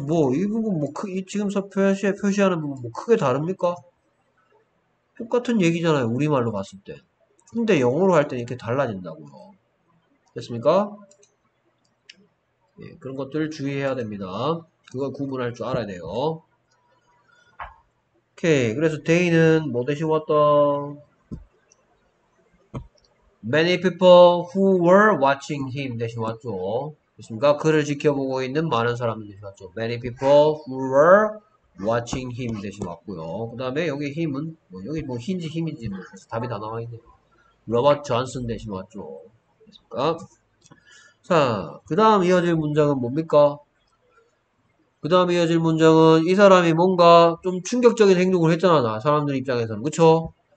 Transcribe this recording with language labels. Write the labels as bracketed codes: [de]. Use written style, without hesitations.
[ko] 뭐, 이 부분 뭐, 지금 표시하는 부분 뭐 크게 다릅니까? 똑같은 얘기잖아요. 우리말로 봤을 때. 근데 영어로 할 때는 이렇게 달라진다고요. 됐습니까? 예, 그런 것들 주의해야 됩니다. 그걸 구분할 줄 알아야 돼요. 오케이. 그래서 데이는 뭐 대신 왔다? [en] Many people who were watching him 대신 왔죠. [ko] 그렇습니까? 그를 지켜보고 있는 많은 사람들이 왔죠. [en] Many people who were watching him 대신 왔고요. [ko] 그다음에 여기 힘은 뭐 여기 뭐 힌지 힘인지 뭐 답이 다 나와 있네요. 로버트 존슨 대신 왔죠. 그렇습니까? 자, 그다음 이어질 문장은 뭡니까? 그 다음 이어질 문장은 이 사람이 뭔가 좀 충격적인 행동을 했잖아, 나 사람들 입장에서는. 그쵸?